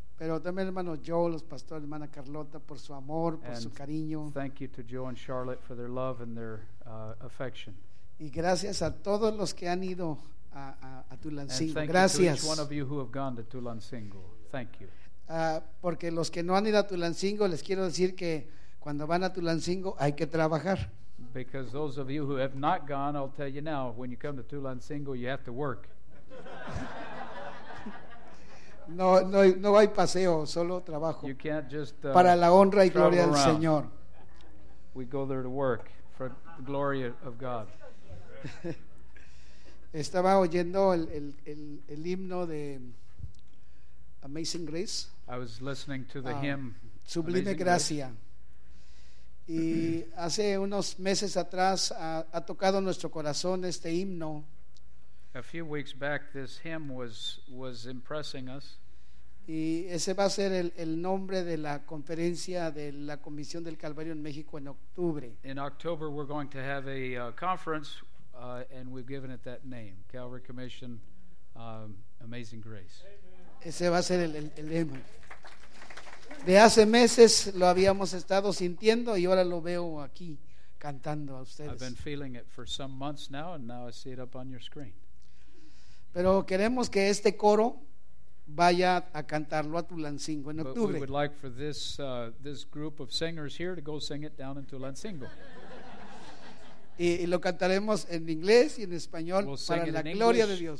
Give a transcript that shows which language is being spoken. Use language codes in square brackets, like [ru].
[es] Pero también el hermano Joe, los pastores, hermana Carlota, por su amor, por [en] and [es] su cariño. [en] Thank you to Joe and Charlotte for their love and their affection. [es] Y gracias a todos los que han ido a Tulancingo. [en] And thank [es] gracias. [en] You to each one of you who have gone to Tulancingo. Thank you. [es] Porque los que no han ido a Tulancingo, les quiero decir que cuando van a Tulancingo hay que trabajar. [en] Because those of you who have not gone, I'll tell you now, when you come to Tulancingo, you have to work. [es] No hay paseo, solo trabajo. [en] You can't just [es] para la honra y gloria del Señor. [en] We go there to work for the glory of God. [es] Estaba oyendo el himno de Amazing Grace. [en] I was listening to the hymn [es] Sublime [en] Amazing [es] Gracia. [en] Grace. [es] Y hace unos meses atrás ha tocado nuestro corazón este himno. [en] A few weeks back this hymn was impressing us. [es] Y ese va a ser el nombre de la conferencia de la Comisión del Calvario en México en octubre. [en] In October we're going to have a conference and we've given it that name, Calvary Commission Amazing Grace. [es] Amen. Ese va a ser el lema. De hace meses lo habíamos estado sintiendo y ahora lo veo aquí cantando a ustedes. [en] I've been feeling it for some months now and now I see it up on your screen. [es] Pero queremos que este coro vaya a cantarlo a Tulancingo en octubre. [en] But we would like for this group of singers here to go sing it down in Tulancingo. [es] Y lo cantaremos en inglés y en español para la gloria de Dios.